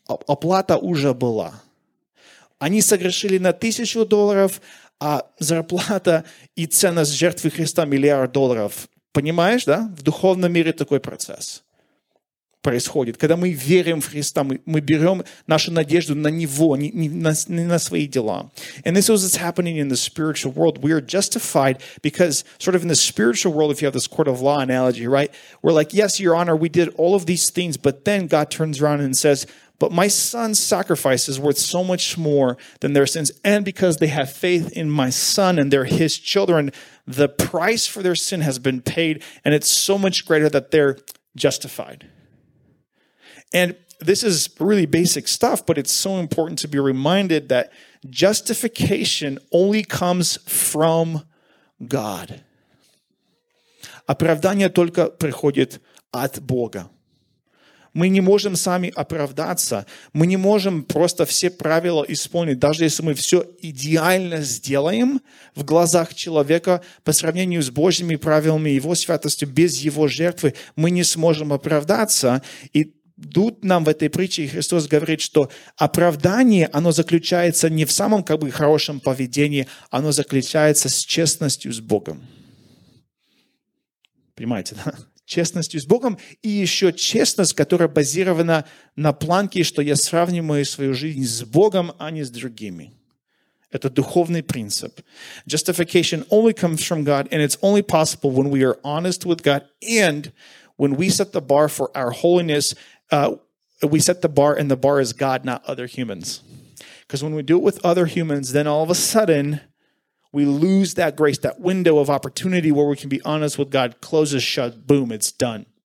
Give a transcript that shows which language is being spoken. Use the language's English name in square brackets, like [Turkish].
[Russian] Оплата уже была. Они согрешили на $1,000, а зарплата и ценность жертвы Христа – $1 миллиард. Понимаешь, да? В духовном мире такой процесс. происходит. Когда мы верим в Христа, мы берем нашу надежду на Него, не на свои дела. [English] And this is what's happening in the spiritual world. We are justified because sort of in the spiritual world, if you have this court of law analogy, right? We're like, yes, Your Honor, we did all of these things, but then God turns around and says, but My Son's sacrifice is worth so much more than their sins. And because they have faith in My Son and they're His children, the price for their sin has been paid and it's so much greater that they're justified. And this is really basic stuff, but it's so important to be reminded that justification only comes from God. [Russian] Оправдание только приходит от Бога. Мы не можем сами оправдаться. Мы не можем просто все правила исполнить, даже если мы все идеально сделаем в глазах человека по сравнению с Божьими правилами, Его святостью, без Его жертвы, мы не сможем оправдаться. И тут нам в этой притче Христос говорит, что оправдание, оно заключается не в самом как бы хорошем поведении, оно заключается с честностью с Богом. Понимаете, да? Честностью с Богом и еще честность, которая базирована на планке, что я сравниваю свою жизнь с Богом, а не с другими. Это духовный принцип. [English] Justification only comes from God, and it's only possible when we are honest with God and when we set the bar for our holiness. We set the bar, and the bar is God, not other humans. Because when we do it with other humans, then all of a sudden, we lose that grace, that window of opportunity where we can be honest with God, closes shut, boom, it's done.